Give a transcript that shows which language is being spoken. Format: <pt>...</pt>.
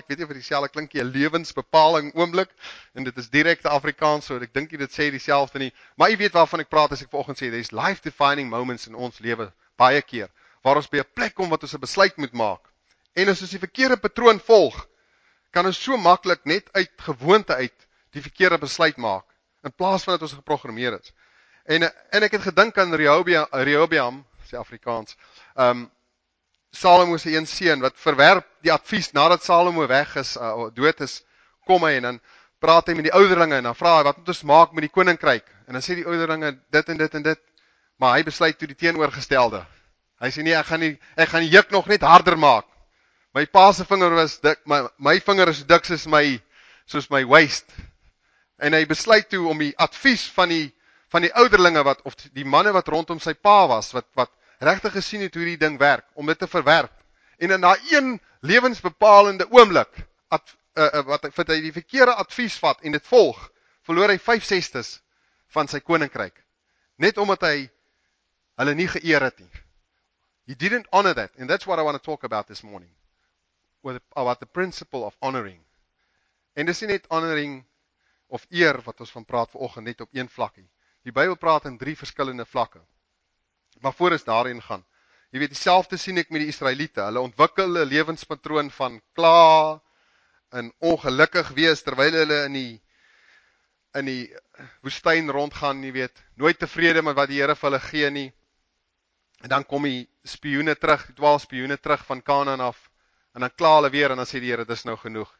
<af>Ek weet nie of dit dieselfde klink nie, 'n lewensbepaling oomblik. En dit is direkte Afrikaans, so ek dink dit sê dieselfde nie. Maar jy weet waarvan ek praat as ek vanoggend sê</af> <en>there's life defining moments</en> <af>in ons lewe baie keer waar ons by 'n plek kom wat ons 'n besluit moet maak. En as ons die verkeerde patroon volg, kan ons so maklik net uit gewoonte uit die verkeerde besluit maak in plaas van dat ons geprogrammeer is. En ek het gedink aan Rehoboam sê Afrikaans, Salomo se een seun, wat verwerp die advies, nadat Salomo weg is, dood is, kom hy, en dan praat hy met die ouderlinge, en dan vraag hy, wat moet ons maak met die koninkryk, en dan sê die ouderlinge, dit en dit en dit, maar hy besluit toe die teenoorgestelde, hy sê nie, ek gaan die juk nog net harder maak, my pa se vinger was dik, my vinger is dik soos my waist, en hy besluit toe om die advies van die ouderlinge wat, of die manne wat rondom sy pa was, wat regtig gesien het hoe die ding werk, om dit te verwerp. En in daai een lewensbepalende oomblik, wat hy die verkeerde advies vat en dit volg, verloor hy 5/6 van sy koninkryk. Net omdat hy hulle nie geëer het nie.</af> <en>He didn't honor that, and that's what I want to talk about this morning. About the principle of honoring.</en> <af>En dis nie net honoring of eer wat ons van praat vanoggend net op een vlakkie. Die Bybel praat in 3 verskillende vlakke. Maar voor is daarin gaan. Jy weet, dieselfde sien ek met die Israeliete. Hulle ontwikkel 'n lewenspatroon van kla en ongelukkig wees terwyl hulle in die woestyn rondgaan, jy weet, nooit tevrede met wat die Here vir hulle gee nie. En dan kom die spioene terug, die 12 spioene terug van Kanaan af en dan kla hulle weer en dan sê die Here, dis nou genoeg.</af>